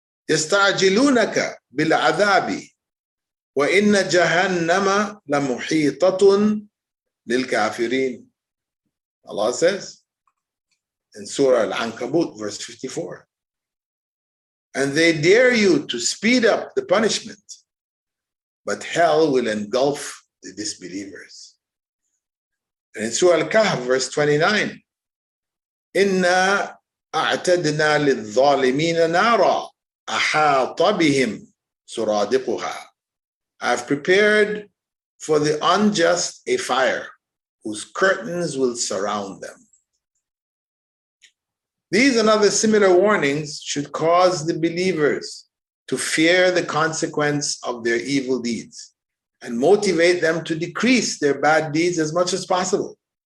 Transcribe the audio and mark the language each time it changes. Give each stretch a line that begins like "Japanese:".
Arabic: يَسْتَعْجِلُونَكَ بِالْعَذَابِ وَإِنَّ جَهَنَّمَ لَمُحِيطَةٌ لِلْكَافِرِينَ.
English: Allah says in Surah Al-Ankabut, verse 54, and they dare you to speed up the punishment, but hell will engulf the disbelievers. And in Surah Al-Kahf, verse 29,
Arabic: إِنَّا أَعْتَدْنَا لِلظَّالِمِينَ نَارًا أَحَاطَ بِهِمْ سُرَادِقُهَا.
English: I have prepared for the unjust a fire whose curtains will surround them. These and other similar warnings should cause the believers to fear the consequence of their evil deeds and motivate them to decrease their bad deeds as much as possible.